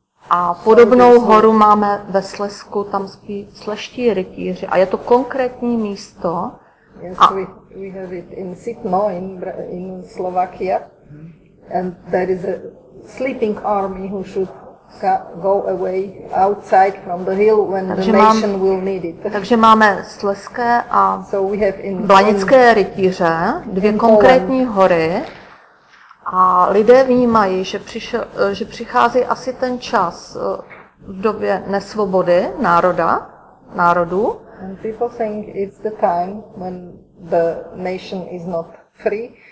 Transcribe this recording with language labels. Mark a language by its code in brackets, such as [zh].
[cs] A podobnou horu máme ve Slezsku, tam spí sleští rytíři. A je to konkrétní místo. [en] Yes, we have it in Sitno, in Slovakia. And there is a sleeping army who should go away outside from the hill when [cs] takže [en] the nation will need it. [cs] Takže máme Slezské a Blanické rytíře, dvě konkrétní [en] Poland. [cs] Hory. A lidé vnímají, že přichází asi ten čas v době nesvobody národa, národů. [en] And people think it's the time when the nation is not free.